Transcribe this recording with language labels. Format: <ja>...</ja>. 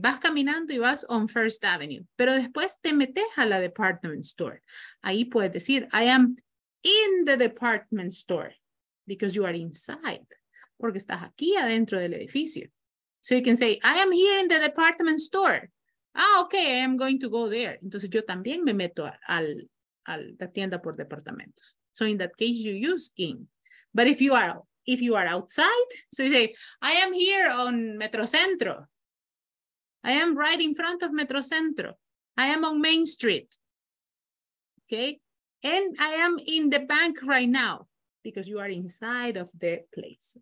<es>Vas caminando y vas</es> <en>on First Avenue,</en> <es>pero después te metes a la department store. Ahí puedes decir,</es> <en>I am in the department store because you are inside,</en> <es>porque estás aquí adentro del edificio.</es> <en>So you can say, I am here in the department store. Ah, okay, I am going to go there.</en> <es>Entonces yo también me meto a la tienda por departamentos.</es> <en>So in that case, you use in. But if you are outside, so you say, I am here on Metrocentro. I am right in front of Metrocentro. I am on Main Street. Okay? And I am in the bank right now because you are inside of the place.</en>